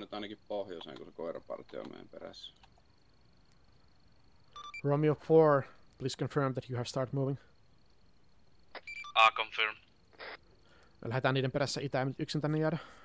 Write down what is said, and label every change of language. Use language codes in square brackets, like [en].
[fi] nyt ainakin pohjoiseen, kun se koirapartio on meidän perässä. [en] Romeo 4, please confirm that you have started moving. Confirm. [fi] Me lähdetään niiden perässä itään, mutta yksin tänne jäädä.